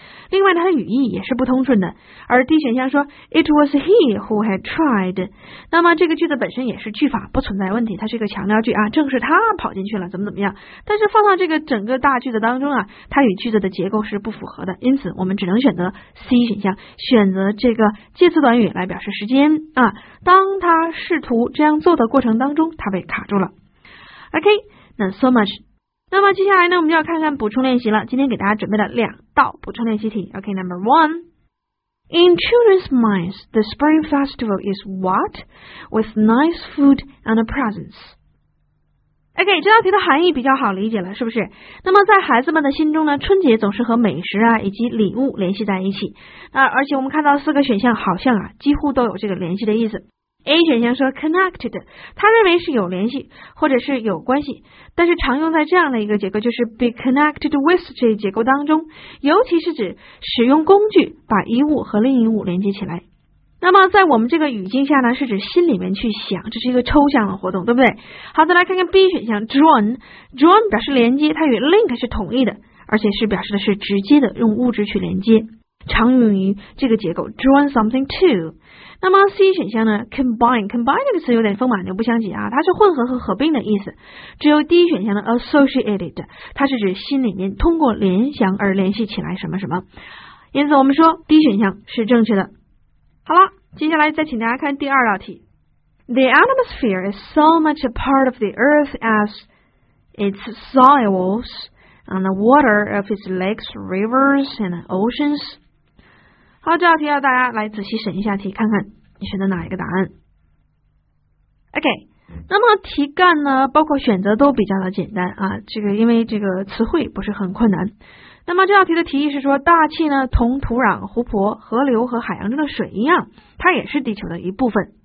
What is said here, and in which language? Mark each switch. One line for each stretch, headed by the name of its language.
Chinese: 另外他的语义也是不通顺的，而 D 选项说 it was he who had tried, 那么这个句子本身也是句法不存在问题，它是一个强调句啊，正是他跑进去了怎么怎么样，但是放到这个整个大句子当中啊，它与句子的结构是不符合的，因此我们只能选择 C 选项，选择这个介词短语来表示时间啊，当他试图这样做的过程当中他被卡住了。 OK, 那 so much, 那么接下来呢我们就要看看补充练习了，今天给大家准备了两道补充练习题。
English: OK, number one, in children's minds the spring festival is what? With nice food and presents.
Chinese: OK, 这道题的含义比较好理解了是不是？那么在孩子们的心中呢，春节总是和美食啊以及礼物联系在一起啊，而且我们看到四个选项好像啊几乎都有这个联系的意思。 A 选项说 connected, 他认为是有联系或者是有关系，但是常用在这样的一个结构就是 be connected with 这一结构当中，尤其是指使用工具把一物和另一物连接起来。那么在我们这个语境下呢，是指心里面去想，这是一个抽象的活动，对不对？好，再来看看 B 选项 drawn 表示连接，它与 link 是统一的，而且是表示的是直接的用物质去连接，常用于这个结构 drawn something to。那么 C 选项呢 combine 这个词有点风马牛不相及啊，它是混合和合并的意思，只有 D 选项的 associated 它是指心里面通过联想而联系起来什么什么，因此我们说 D 选项是正确的。好了，接下来再请大家看第二道题。
English: The atmosphere is so much a part of the earth as its soils and the water of its lakes, rivers and oceans。
Chinese: 好，这道题要大家来仔细审一下题，看看你选择哪一个答案。 OK, 那么题干呢包括选择都比较的简单啊，这个因为这个词汇不是很困难。那么这道题的提议是说，大气呢同土壤、湖泊、河流和海洋中的水一样，它也是地球的一部分。